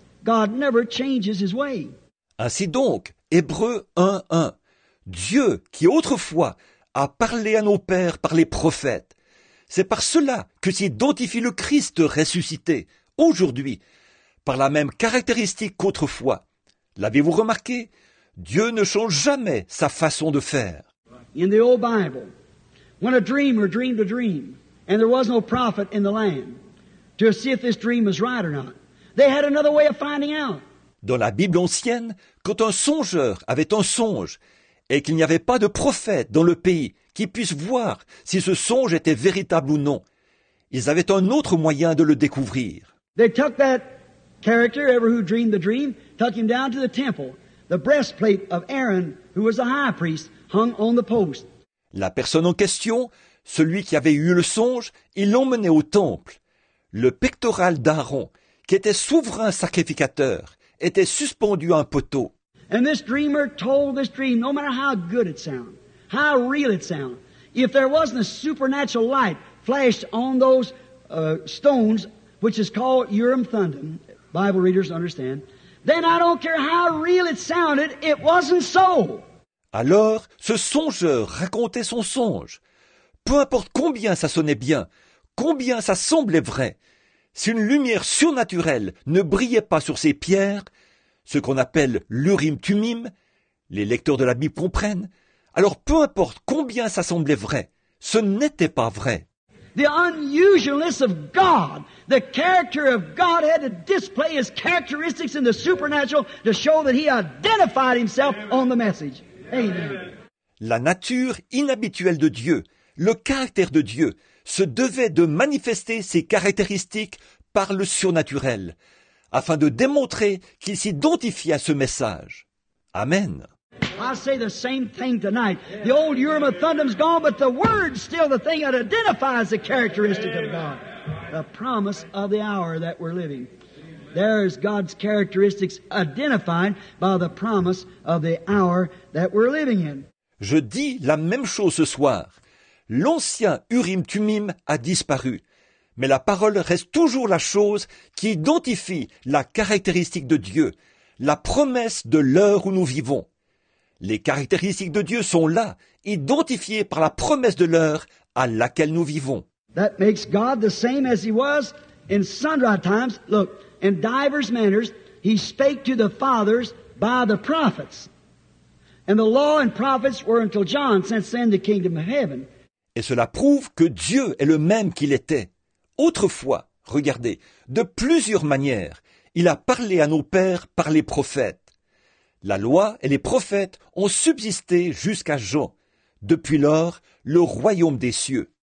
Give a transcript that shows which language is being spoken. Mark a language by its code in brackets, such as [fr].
[en] God never changes his way. [fr] Ainsi donc, Hébreux 1:1, Dieu qui autrefois a parlé à nos pères par les prophètes, c'est par cela que s'identifie le Christ ressuscité aujourd'hui, par la même caractéristique qu'autrefois. L'avez-vous remarqué? Dieu ne change jamais sa façon de faire. [en] In the old Bible, when a dreamer dreamed a dream, and there was no prophet in the land to see if this dream was right or not, they had another way of finding out. [fr] Dans la Bible ancienne, quand un songeur avait un songe et qu'il n'y avait pas de prophète dans le pays qui puisse voir si ce songe était véritable ou non, ils avaient un autre moyen de le découvrir. [en] They took that character, ever who dreamed the dream, took him down to the temple. The breastplate of Aaron, who was a high priest, hung on the post. [fr] La personne en question, celui qui avait eu le songe, il l'emmenait au temple. Le pectoral d'Aaron, qui était souverain sacrificateur, était suspendu à un poteau. [en] And this dreamer told this dream, no matter how good it sound, how real it sound, if there wasn't a supernatural light flashed on those stones, which is called Urim Thummim, Bible readers understand, then I don't care how real it sounded, it wasn't so. [fr] Alors, ce songeur racontait son songe. Peu importe combien ça sonnait bien, combien ça semblait vrai, si une lumière surnaturelle ne brillait pas sur ces pierres, ce qu'on appelle l'Urim Thummim, les lecteurs de la Bible comprennent, alors peu importe combien ça semblait vrai, ce n'était pas vrai. [en] The unusualness of God, the character of God had to display his characteristics in the supernatural to show that he identified himself on the message. Amen. [fr] La nature inhabituelle de Dieu, le caractère de Dieu, se devait de manifester ses caractéristiques par le surnaturel, afin de démontrer qu'il s'identifie à ce message. Amen. [en] I say the same thing tonight. The old Urim and Thummim's gone, but the word's still the thing that identifies the characteristic of God. The promise of the hour that we're living. There's God's characteristics identified by the promise of the hour that we're living in. [fr] Je dis la même chose ce soir. L'ancien Urim Thummim a disparu, mais la parole reste toujours la chose qui identifie la caractéristique de Dieu, la promesse de l'heure où nous vivons. Les caractéristiques de Dieu sont là, identifiées par la promesse de l'heure à laquelle nous vivons. [en] That makes God the same as he was in sundry times. Look, in divers manners, he spake to the fathers by the prophets. And the law and prophets were until John, since then the kingdom of heaven. [fr] Et cela prouve que Dieu est le même qu'il était. Autrefois, regardez, de plusieurs manières, il a parlé à nos pères par les prophètes. La loi et les prophètes ont subsisté jusqu'à Jean. Depuis lors, le royaume des cieux.